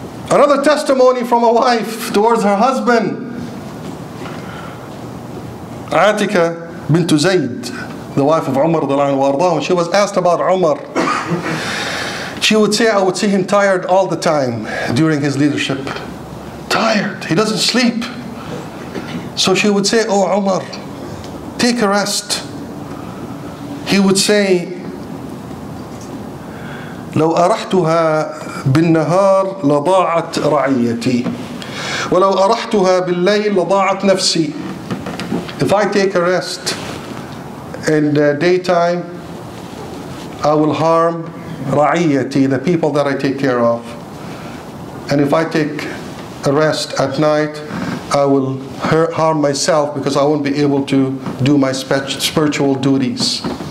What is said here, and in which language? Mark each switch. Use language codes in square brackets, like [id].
[en] Another testimony from a wife towards her husband, Atika bint Zayd, the wife of Umar radiallahu anhu warḍah, when she was asked about Umar, she would say, I would see him tired all the time during his leadership. tired. He doesn't sleep. So she would say, oh, Umar, take a rest. [ar] He would say, لو أرحتها بالنهار لضاعت رعيتي ولو أرحتها بالليل لضاعت نفسي. [en] If I take a rest in the daytime, I will harm رعيتي, the people that I take care of. And if I take a rest at night, I will harm myself because I won't be able to do my spiritual duties.